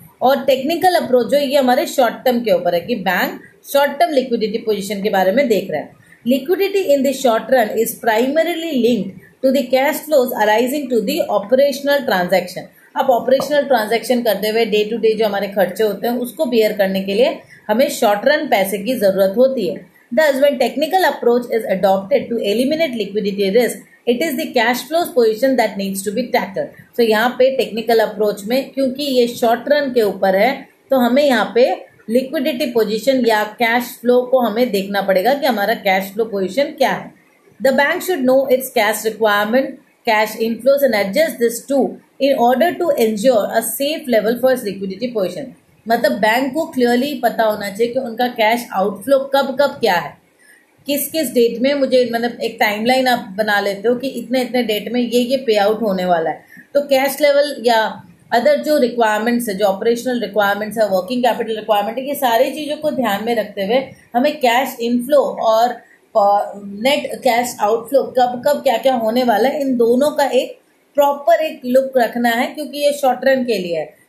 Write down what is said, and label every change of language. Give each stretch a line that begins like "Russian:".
Hindi: और technical approach जो ये हमारे शॉर्ट टर्म के ऊपर है कि bank short term liquidity position के बारे में देख रहा है.
English: Liquidity in the short run is primarily linked to the cash flows arising to the operational transaction.
Hindi: अब ऑपरेशनल ट्रांजेक्शन करते हुए डे टू डे जो हमारे खर्चे होते हैं उसको बियर करने के लिए हमें शॉर्ट रन पैसे की जरूरत होती है.
English: Thus, when technical approach is adopted to eliminate liquidity risk, it is the cash flows position that needs to be tackled.
Hindi: So, यहाँ पे technical approach में क्योंकि ये short run के ऊपर है तो हमें यहाँ पे liquidity position या cash flow को हमें देखना पड़ेगा कि हमारा cash flow position क्या है.
English: The bank should know its cash requirement, cash inflows and adjust this too in order to ensure a safe level for its liquidity position.
Hindi: मतलब बैंक को क्लियरली पता होना चाहिए कि उनका कैश आउटफ्लो कब कब क्या है, किस किस डेट में मुझे, मतलब एक टाइमलाइन आप बना लेते हो कि इतने इतने डेट में ये पे आउट होने वाला है. तो कैश लेवल या अदर जो रिक्वायरमेंट्स है, जो ऑपरेशनल रिक्वायरमेंट्स है, वर्किंग कैपिटल रिक्वायरमेंट है, ये सारी चीज़ों को ध्यान में रखते हुए हमें कैश इनफ्लो और नेट कैश आउटफ्लो कब कब क्या क्या होने वाला है, इन दोनों का एक प्रॉपर एक लुक रखना है क्योंकि ये शॉर्ट रन के लिए है.